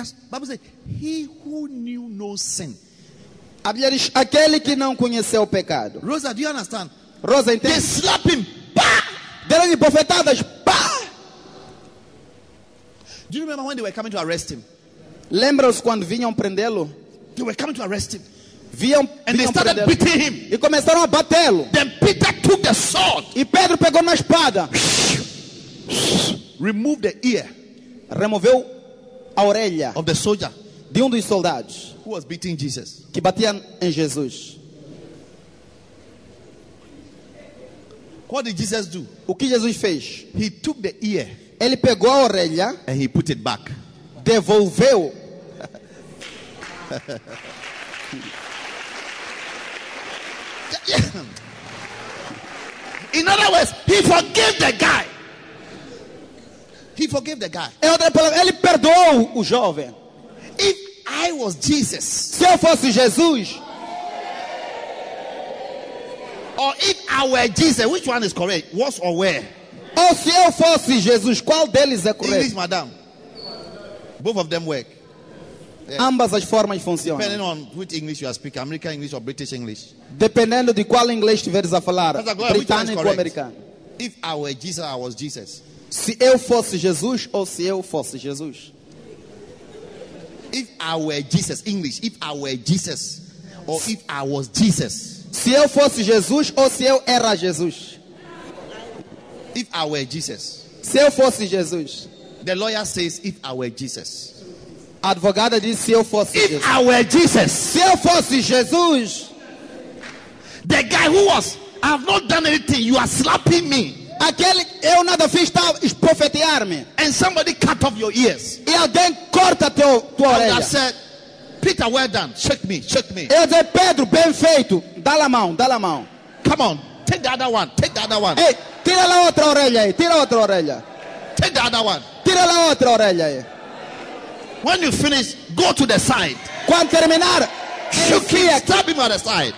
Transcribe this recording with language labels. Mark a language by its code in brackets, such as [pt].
[en] Bible says, he who knew no sin. [pt] A Bíblia diz, aquele que não conheceu o pecado. [en] Rosa, do you understand? [pt] Rosa, entende? [en] They slap him. Pá! [pt] Deram-lhe bofetadas. Pá! [en] Do you remember when they were coming to arrest him? [pt] Lembra-se quando vinham prendê-lo? [en] They were coming to arrest him. [pt] Vinham, [en] and they started [pt] prendê-lo. [en] Beating him. [pt] E começaram a batê-lo. [en] Then Peter took the sword. [pt] E Pedro pegou na espada. [en] Removed the ear. [pt] Removeu a orelha. [en] Of the soldier. [pt] De dos soldados. [en] Who was beating Jesus. [pt] Que batia em Jesus. [en] What did Jesus do? [pt] O que Jesus fez? [en] He took the ear. [pt] Ele pegou a orelha. [en] And he put it back. [pt] Devolveu. [en] In other words, he forgave the guy. He forgave the guy. [pt] Em outra palavra, ele perdoou o jovem. [en] If I was Jesus. [pt] Se eu fosse Jesus. [en] Or if I were Jesus, which one is correct? Was or where? [pt] Ou se eu fosse Jesus, qual deles é correto? [en] English, madam. Both of them work. [pt] Yeah. Ambas as formas funcionam. [en] Depending on which English you are speaking, American English or British English. [pt] Dependendo de qual inglês estiveres a falar, britânico ou americano. [en] If I were Jesus, I was Jesus. [pt] Se eu fosse Jesus ou se eu fosse Jesus. [en] If I were Jesus, English. If I were Jesus or if I was Jesus. [pt] Se eu fosse Jesus ou se eu era Jesus. [en] If I were Jesus. [pt] Se eu fosse Jesus. [en] The lawyer says, if I were Jesus. [pt] Advogada diz, se eu fosse [en] if [pt] Jesus. [en] If I were Jesus. [pt] Se eu fosse Jesus. [en] guy who was, I have not done anything. You are slapping me. [pt] Aquele eu nada fiz tal profetear-me. [en] And somebody cut off your ears. [pt] E alguém corta teu tua orelha. [en] And I said, Peter, well done. Shake me, shake me. [pt] Eu disse, Pedro, bem feito. Dá-lhe a mão, dá-lhe a mão. [en] Come on, take the other one, take the other one. [pt] Ei, tira lá outra orelha aí, tira outra orelha. [en] Take the other one. [pt] Tira lá outra orelha aí. [en] When you finish, go to the side. [pt] Quando terminar, [en] enfia, stab him on the side.